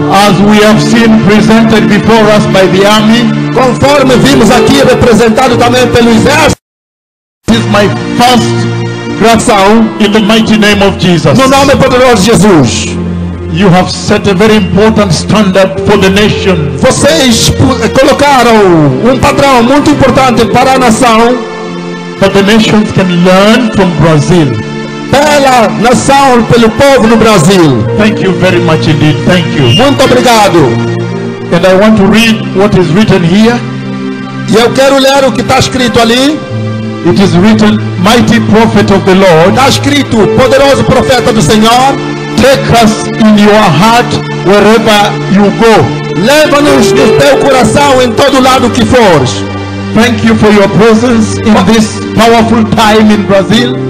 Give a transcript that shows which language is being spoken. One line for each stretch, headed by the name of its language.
English: As we have seen presented before us by the army.
Portuguese: Conforme vimos aqui representado também pelo exército.
English: This is my first gratidão in the mighty name of Jesus.
Portuguese: No nome poderoso de Jesus.
English: You have set a very important standard for the nation.
Portuguese: Vocês colocaram padrão muito importante para a nação.
English: But the nations can learn from Brazil.
Portuguese: Pela nação, pelo povo do Brasil.
English: Thank you very much indeed. Thank you.
Portuguese: Muito obrigado.
English: And I want to read what is written here.
Portuguese: E eu quero ler o que está escrito ali.
English: It is written, Mighty Prophet of the Lord.
Portuguese: Está escrito, poderoso profeta do Senhor.
English: Take us in your heart wherever you go.
Portuguese: Leva-nos no teu coração em todo lado que fores.
English: Thank you for your presence in this powerful time in Brazil.